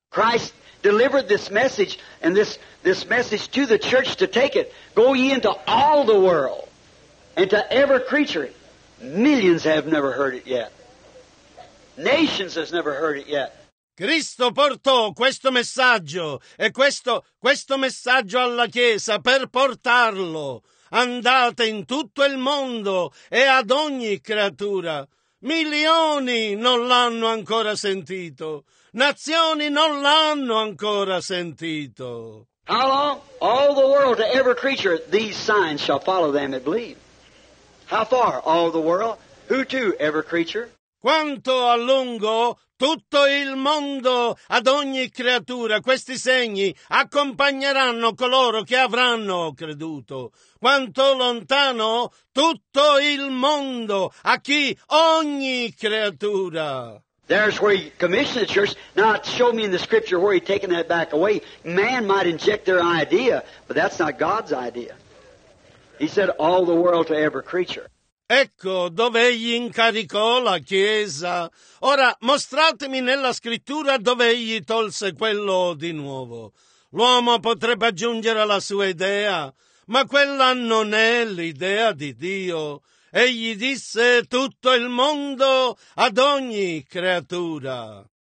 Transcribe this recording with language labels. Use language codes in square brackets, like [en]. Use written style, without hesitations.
[en] Christ delivered this message and this message to the church to take it. Go ye into all the world and to every creature. Millions have never heard it yet. Nations has never heard it yet. [it] Cristo portò questo messaggio e questo messaggio alla Chiesa per portarlo. Andate in tutto il mondo e ad ogni creatura. Milioni non l'hanno ancora sentito. Nazioni non l'hanno ancora sentito. [en] How long? All the world to every creature, these signs shall follow them that believe. How far? All the world. Who to every creature? [it] Quanto a lungo? Tutto il mondo, ad ogni creatura, questi segni accompagneranno coloro che avranno creduto. Quanto lontano? Tutto il mondo, a chi? Ogni creatura. [en] There's where he commissioned the church. Now, show me in the scripture where he's taken that back away. Man might inject their idea, but that's not God's idea. He said, all the world to every creature. [it] Ecco dove egli incaricò la Chiesa. Ora, mostratemi nella scrittura dove egli tolse quello di nuovo. L'uomo potrebbe aggiungere la sua idea, ma quella non è l'idea di Dio. Egli disse tutto il mondo ad ogni creatura.